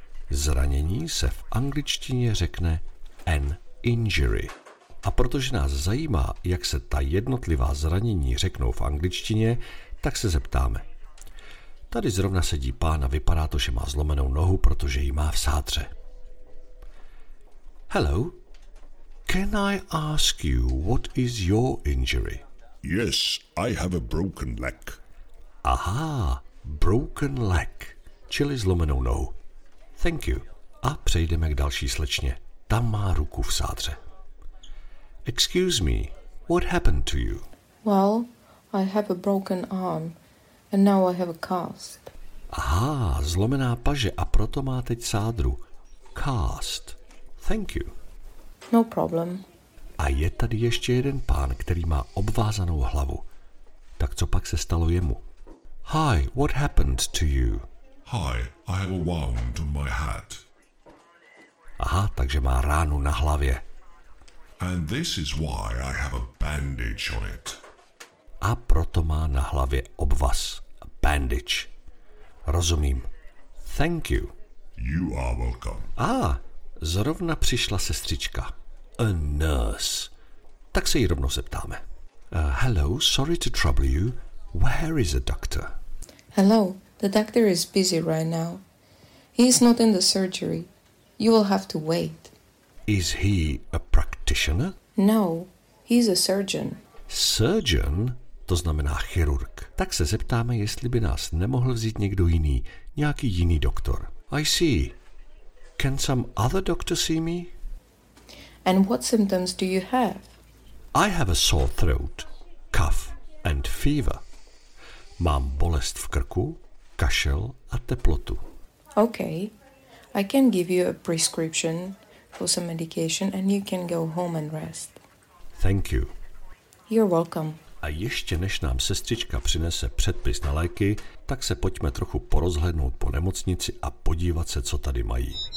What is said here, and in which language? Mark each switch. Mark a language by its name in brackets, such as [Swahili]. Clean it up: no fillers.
[Czech] Zranění se v angličtině řekne an injury. A protože nás zajímá, jak se ta jednotlivá zranění řeknou v angličtině, tak se zeptáme. Tady zrovna sedí pán a vypadá to, že má zlomenou nohu, protože ji má v sádře. [English] Hello, can I ask you what is your injury? Yes, I have a broken leg. [Czech] Aha, [English] broken leg, [Czech] čili zlomenou nohu. [English] Thank you. [Czech] A přejdeme k další slečně. Tam má ruku v sádře. [English] Excuse me, what happened to you? Well, I have a broken arm. And now I have a cast. [Czech] Aha, zlomená paže a proto má teď sádru. Cast. [English] Thank you. No problem. [Czech] A je tady ještě jeden pán, který má obvázanou hlavu. Tak co pak se stalo jemu? [English] Hi, what happened to you? Hi, I have a wound on my head. [Czech] Aha, takže má ránu na hlavě. [English] And this is why I have a bandage on it. [Czech] A proto má na hlavě obvaz, bandage. Rozumím. [English] Thank you. You are welcome. [Czech] Zrovna přišla sestřička. A nurse. Tak se jí rovnou zeptáme. [English] Hello, sorry to trouble you. Where is the doctor? Hello, the doctor is busy right now. He is not in the surgery. You will have to wait. Is he a practitioner? No, he's a surgeon. [Czech] Surgeon? To znamená chirurg. Tak se zeptáme, jestli by nás nemohl vzít někdo jiný, nějaký jiný doktor. [English] I see. Can some other doctor see me? And what symptoms do you have? I have a sore throat, cough and fever. [Czech] Mám bolest v krku, kašel a teplotu. [English] Okay, I can give you a prescription for some medication and you can go home and rest. Thank you. You're welcome. [Czech] A ještě než nám sestřička přinese předpis na léky, tak se pojďme trochu porozhlednout po nemocnici a podívat se, co tady mají.